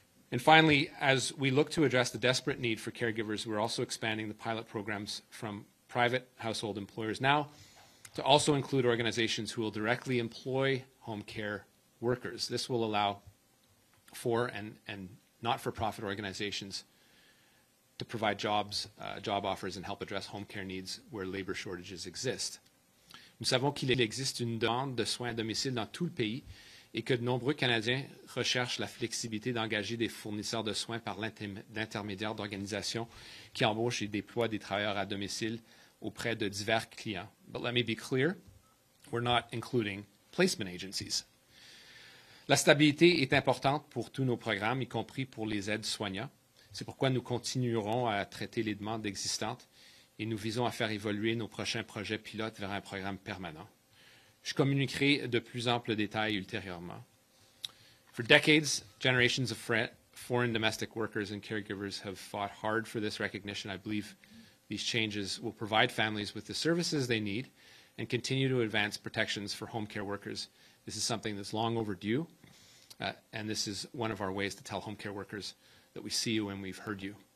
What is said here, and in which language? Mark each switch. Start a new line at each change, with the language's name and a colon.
English: And finally, as we look to address the desperate need for caregivers, we're also expanding the pilot programs from private household employers now to also include organizations who will directly employ home care workers. This will allow for and not-for-profit organizations to provide jobs, job offers, and help address home care needs where labor shortages exist.
French: Nous savons qu'il existe une demande de soins à domicile dans tout le pays et que de nombreux Canadiens recherchent la flexibilité d'engager des fournisseurs de soins par l'intermédiaire d'organisations qui embauchent et déploient des travailleurs à domicile auprès de divers clients.
English: But let me be clear, we're not including placement agencies.
French: La stabilité est importante pour tous nos programmes, y compris pour les aides soignants. C'est pourquoi nous continuerons à traiter les demandes existantes et nous visons à faire évoluer nos prochains projets pilotes vers un programme permanent. Je communiquerai de plus amples détails ultérieurement.
English: For decades, generations of foreign domestic workers and caregivers have fought hard for this recognition. I believe these changes will provide families with the services they need and continue to advance protections for home care workers. This is something that's long overdue, and this is one of our ways to tell home care workers that we see you and we've heard you.